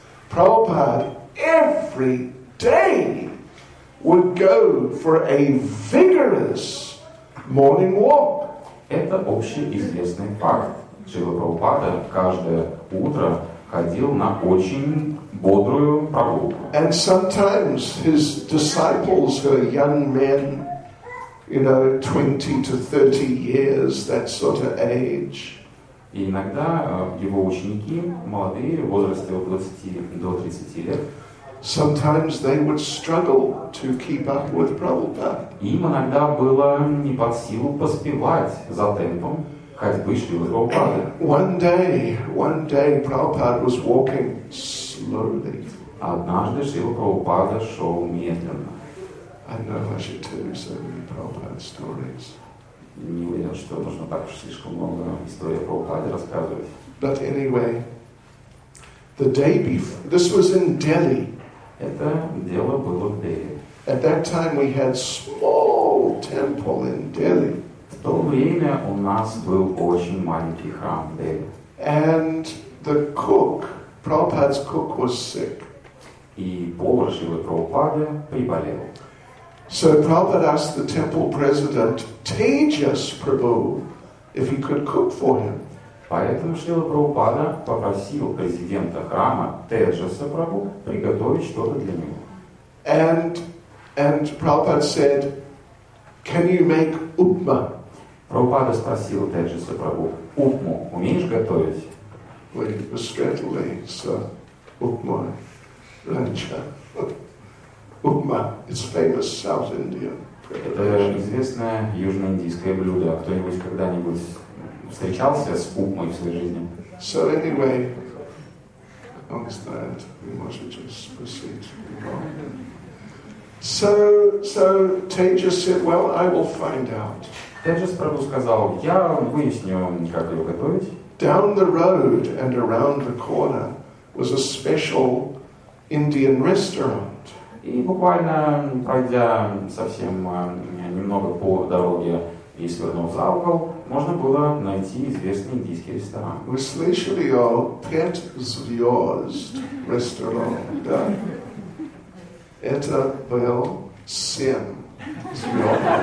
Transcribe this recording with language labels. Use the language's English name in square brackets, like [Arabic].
[English] Prabhupada every day would go for a vigorous morning walk. [Russian] Это общеизвестный факт. Шрила Прабхупада каждое утро ходил на очень бодрую прогулку. [English] And sometimes his disciples were young men, you know, 20 to 30 years, that sort of age. [Russian] И иногда его ученики молодые, в возрасте от 20 до 30 лет. [English] Sometimes they would struggle to keep up with Prabhupada. [Russian] Им иногда было не под силу поспевать за темпом ходьбы Шрилы Прабхупады. [English] One day Prabhupada was walking slowly. [Russian] Однажды Шрила Прабхупада шел медленно. [English] I know I should tell you so many Prabhupada stories. [Russian] Не уверен, что нужно так уж слишком много историй о Прабхупаде рассказывать. [English] But anyway, the day before, this was in Delhi. [Russian] Это дело было в Дели. [English] At that time we had small temple in Delhi. [Russian] В то время у нас был очень маленький храм в Дели. [English] And the cook, Prabhupada's cook, was sick. [Russian] И повар Шрилы Прабхупады приболел. [English] So Prabhupada asked the temple president Tejas Prabhu if he could cook for him. [Russian] Поэтому Шрила Прабхупада попросил президента храма Теджаса Прабху приготовить что-то для него. [English] And Prabhupada said, can you make upma? [Russian] Прабхупада спросил Теджаса Прабху, упму умеешь готовить? [English] Well, it was straightly, so upma, rancha. Upma, it's famous South Indian. [Russian] Это известное южноиндийское блюдо. Кто-нибудь когда-нибудь встречался с упмой в своей жизни? [English] So anyway, understand, we must just proceed. So Tejas said, well, I will find out. [Russian] Tejas Prabhu сказал, я выясню, как ее готовить. Down the road and around the corner was a special Indian restaurant. И буквально пройдя совсем немного по дороге и свернув за угол, можно было найти известный индийский ресторан. Вы слышали о Пет Звезд ресторан, да? Это был Сен Звезд.